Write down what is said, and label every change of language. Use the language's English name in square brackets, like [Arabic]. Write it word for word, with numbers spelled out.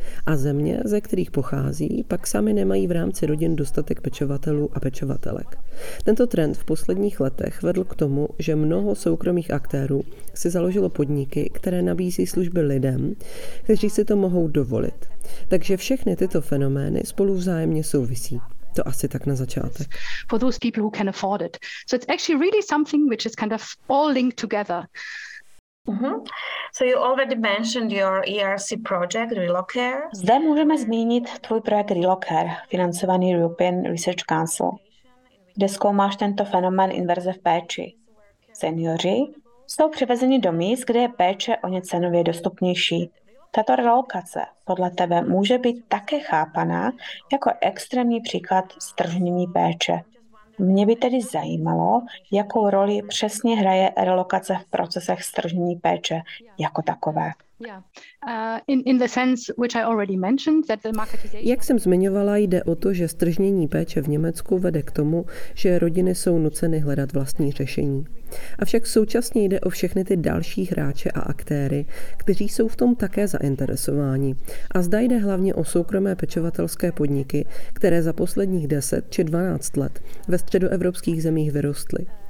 [Czech] A země, ze kterých pochází, pak sami nemají v rámci rodin dostatek pečovatelů a pečovatelek. Tento trend v posledních letech vedl k tomu, že mnoho soukromých aktérů si založilo podniky, které nabízí služby lidem, kteří si to mohou dovolit. Takže všechny tyto fenomény spolu vzájemně souvisí. To asi tak na začátek. [English] For those people who can afford it. So it's actually really something which is kind of all linked together. Mm-hmm. So you already mentioned your E R C project, Relocair. [Czech] Zde můžeme zmínit tvůj projekt Relocair, financovaný European Research Council, kde zkoumáš tento fenomén inverze v péči. Seniori jsou přivezeni do míst, kde je péče o ně cenově dostupnější. Tato relokace podle tebe může být také chápaná jako extrémní příklad stržnění péče. Mě by tedy zajímalo, jakou roli přesně hraje relokace v procesech stržnění péče jako takové. Yeah. [English] Uh, in, in the sense which I already mentioned, that the marketization- [Czech] Jak jsem zmiňovala, jde o to, že stržnění péče v Německu vede k tomu, že rodiny jsou nuceny hledat vlastní řešení. Avšak současně jde o všechny ty další hráče a aktéry, kteří jsou v tom také zainteresováni. A zda jde hlavně o soukromé pečovatelské podniky, které za posledních deset či dvanáct let ve středoevropských zemích vyrostly.